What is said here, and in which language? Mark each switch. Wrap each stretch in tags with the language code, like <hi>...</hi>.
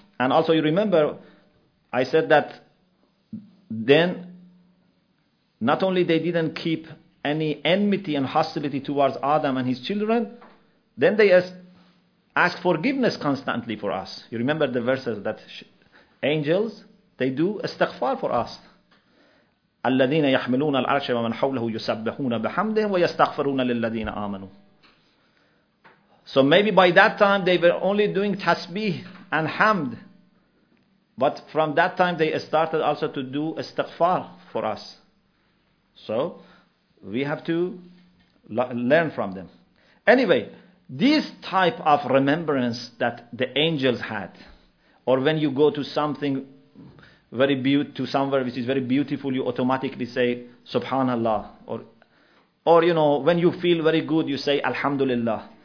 <en>And also you remember I said that then not only they didn't keep any enmity and hostility towards Adam and his children, then they ask forgiveness constantly for us. You remember the verses that angels, they do istighfar for us.</en> <ar>الذين يحملون العرش ومن حوله يسبحون بحمده ويستغفرون للذين آمنوا.</ar> <en>So maybe by that time they were only doing tasbih and hamd, but from that time they started also to do istighfar for us. So we have to learn from them. Anyway, this type of remembrance that the angels had, or when you go to something very beautiful, to somewhere which is very beautiful, you automatically say Subhanallah, or you know, when you feel very good, you say Alhamdulillah.</en>